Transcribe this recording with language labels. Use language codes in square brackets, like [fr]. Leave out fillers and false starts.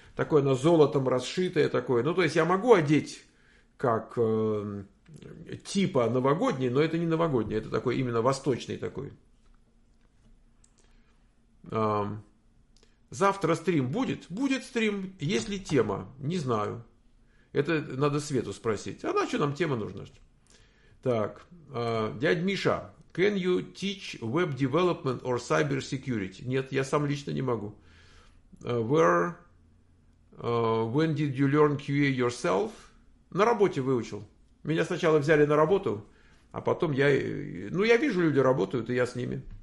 [ru] Такое на золотом расшитое такое. Ну, то есть я могу одеть как типа новогодний, но это не новогодний, это такой именно восточный такой. Завтра стрим будет? Будет стрим. Есть ли тема? Не знаю. Это надо Свету спросить. А на что нам тема нужна? Так, дядь Миша, [en] can you teach web development or cyber security? [ru] Нет, я сам лично не могу. [en] When did you learn QA yourself? [ru] На работе выучил. Меня сначала взяли на работу, а потом ну, я вижу, люди работают, и я с ними.